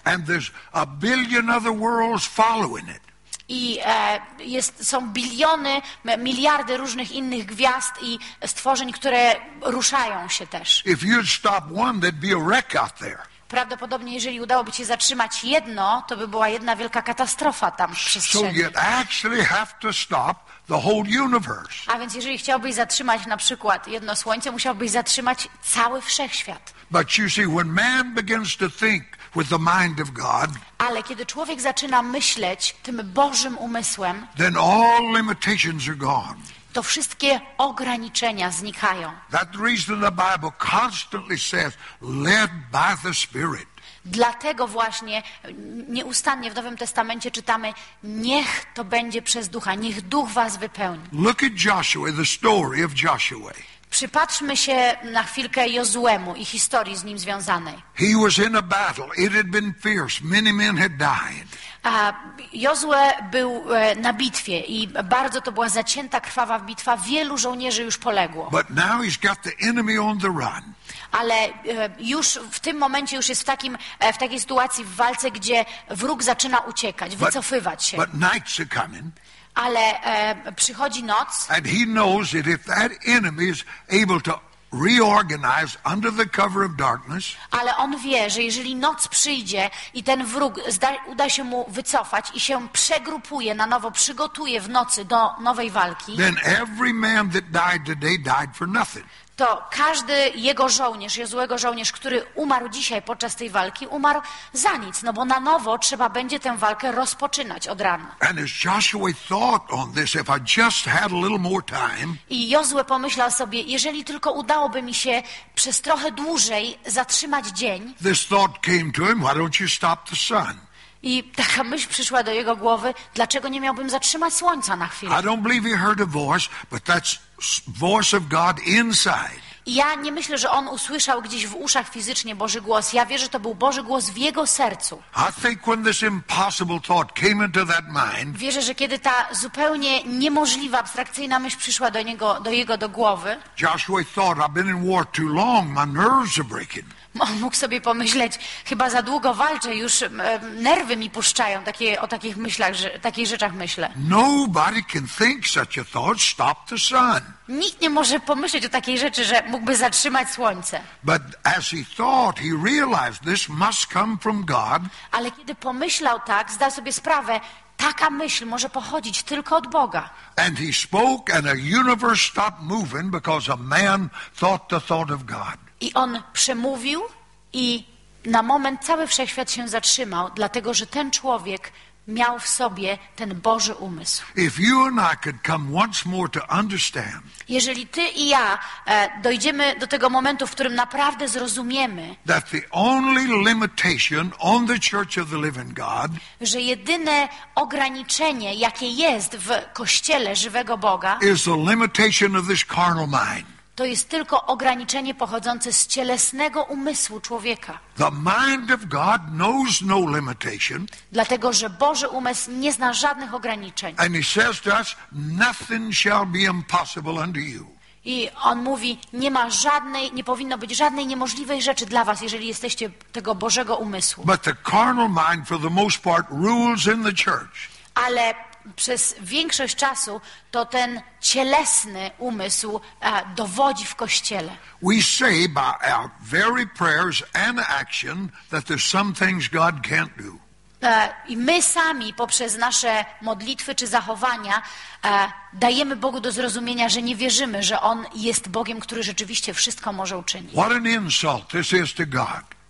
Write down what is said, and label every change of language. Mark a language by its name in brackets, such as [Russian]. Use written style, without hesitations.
[English] And there's a billion other worlds following it. [Polish] I są biliony, miliardy różnych innych gwiazd i stworzeń, które ruszają się też. [English] If you'd stop one, there'd be a wreck out there. [Polish] Prawdopodobnie, jeżeli udałoby się zatrzymać jedno, to by była jedna wielka katastrofa tam w przestrzeni. [English] So you'd actually have to stop the whole universe. [Polish] A więc jeżeli chciałbyś zatrzymać na przykład jedno słońce, musiałbyś zatrzymać cały wszechświat. [English] But you see, when man begins to think with the mind of God, [Polish] ale kiedy człowiek zaczyna myśleć tym Bożym umysłem, [English] then all limitations are gone. [Polish] To wszystkie ograniczenia znikają. [English] That reason the Bible constantly says, led by the Spirit. [Polish] Dlatego właśnie nieustannie w Nowym Testamencie czytamy, niech to będzie przez Ducha, niech Duch was wypełni. [English] Look at Joshua, the story of Joshua. [Polish] Przypatrzmy się na chwilkę Jozuemu i historii z nim związanej. [English] He was in a battle. It had been fierce. Many men had died. [Polish] A Jozue był na bitwie i bardzo to była zacięta, krwawa bitwa. Wielu żołnierzy już poległo. [English] But now he's got the enemy on the run. [Polish] Ale już w tym momencie już jest w takiej sytuacji w walce, gdzie wróg zaczyna uciekać, wycofywać się. [English] But nights are coming. [Polish] Ale przychodzi noc. [English] And he knows that if that enemy is able to reorganize under the cover of darkness, [Polish] ale on wie, że jeżeli noc przyjdzie i ten wróg uda się mu wycofać i się przegrupuje na nowo, przygotuje w nocy do nowej walki, [English] then every man that died today died for nothing. [Polish] To każdy jego żołnierz, Jozuego żołnierz, który umarł dzisiaj podczas tej walki, umarł za nic, no bo na nowo trzeba będzie tę walkę rozpoczynać od rana. [English] And as Joshua thought on this, if I just had a little more time, [Polish] i Jozue pomyślał sobie, jeżeli tylko udałoby mi się przez trochę dłużej zatrzymać dzień, [English] this thought came to him, why don't you stop the sun? [Polish] I taka myśl przyszła do jego głowy, dlaczego nie miałbym zatrzymać słońca na chwilę. [English] I don't believe he heard a voice, but that's voice of God inside. [Polish] Ja nie myślę, że on usłyszał gdzieś w uszach fizycznie Boży głos. Ja wierzę, że to był Boży głos w jego sercu. [English] I think when this impossible thought came into that mind, [Polish] wierzę, że kiedy ta zupełnie niemożliwa, abstrakcyjna myśl przyszła do niego, do jego, do głowy, [English] Joshua thought, I've been in war too long, my nerves are breaking. [Polish] Mógł sobie pomyśleć, chyba za długo walczę, już nerwy mi puszczają, o takich myślach, takich rzeczach myślę. [English] Nobody can think such a thought, stop the sun. [Polish] Nikt nie może pomyśleć o takiej rzeczy, że mógłby zatrzymać słońce. [English] But as he thought, he realized this must come from God. [Polish] Ale kiedy pomyślał tak, zdał sobie sprawę, taka myśl może pochodzić tylko od Boga. [English] And he spoke and a universe stopped moving because a man thought the thought of God. [Polish] I on przemówił i na moment cały wszechświat się zatrzymał, dlatego że ten człowiek miał w sobie ten Boży umysł. [English] If you and I could come once more to understand, [Polish] jeżeli ty i ja dojdziemy do tego momentu, w którym naprawdę zrozumiemy, [English] that the only limitation on the Church of the Living God, [Polish] że jedyne ograniczenie, jakie jest w Kościele żywego Boga, [English] is the limitation of this carnal mind. [Polish] To jest tylko ograniczenie pochodzące z cielesnego umysłu człowieka. [English] The mind of God knows no limitation. [Polish] Dlatego, że Boży umysł nie zna żadnych ograniczeń. [English] And he says to us, nothing shall be impossible unto you. [Polish] I on mówi, nie ma żadnej, nie powinno być żadnej niemożliwej rzeczy dla was, jeżeli jesteście tego Bożego umysłu. [English] But the carnal mind for the most part rules in the church. [Polish] Ale przez większość czasu to ten cielesny umysł dowodzi w Kościele. [English] We say by our very prayers and action that there's some things God can't do. [Polish] I my sami poprzez nasze modlitwy czy zachowania dajemy Bogu do zrozumienia, że nie wierzymy, że On jest Bogiem, który rzeczywiście wszystko może uczynić. [English] What an insult this is to God.